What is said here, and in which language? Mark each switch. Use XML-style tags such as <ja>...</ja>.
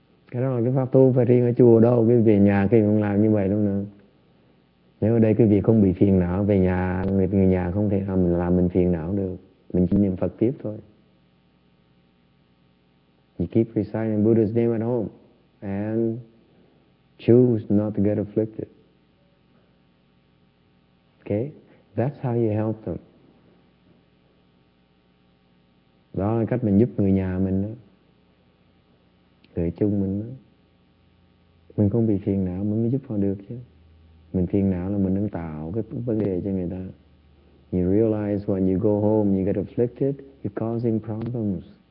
<vi>Cái đó là cái pháp tu phải riêng ở chùa đâu, cái về nhà cái không làm như vậy đâu nữa. Nếu ở đây cái việc không bị phiền não, về nhà người nhà không thể làm mình phiền não được. Mình chỉ niệm Phật tiếp thôi.</vi> <en>You keep reciting Buddha's name at home and choose not to get afflicted. Okay? That's how you help them.</en> <vi>Đó là cách mình giúp người nhà mình đó. Người chung mình đó. Mình không bị phiền não mình mới giúp họ được chứ. Mình phiền não là mình đang tạo cái vấn đề cho người ta.</vi> <en>You realize when you go home, you get afflicted, you're causing problems.</en>